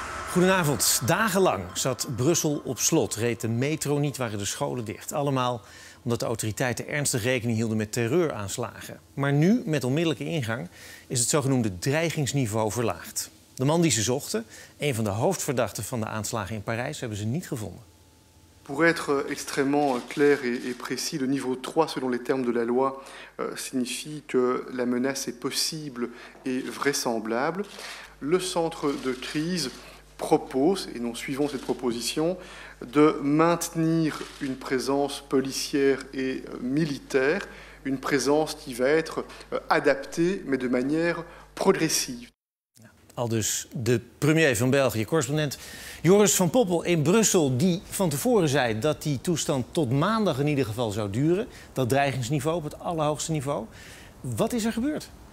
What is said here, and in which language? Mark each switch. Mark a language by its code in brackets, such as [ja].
[nl] Goedenavond. Dagenlang zat Brussel op slot, reed de metro niet, waren de scholen dicht. Allemaal omdat de autoriteiten ernstig rekening hielden met terreuraanslagen. Maar nu, met onmiddellijke ingang, is het zogenoemde dreigingsniveau verlaagd. De man die ze zochten, een van de hoofdverdachten van de aanslagen in Parijs, hebben ze niet gevonden. [fr] Pour être extrêmement clair et précis, le niveau 3, selon les termes de la loi, signifie que la menace est possible et vraisemblable. Le centre de crise propose, et nous suivons cette proposition, de maintenir une présence policière et militaire, une présence qui va être adaptée, mais de manière progressive. [nl] Aldus de premier van België, correspondent Joris van Poppel in Brussel, die van tevoren zei dat die toestand tot maandag in ieder geval zou duren, dat dreigingsniveau op het allerhoogste niveau. Wat is er gebeurd?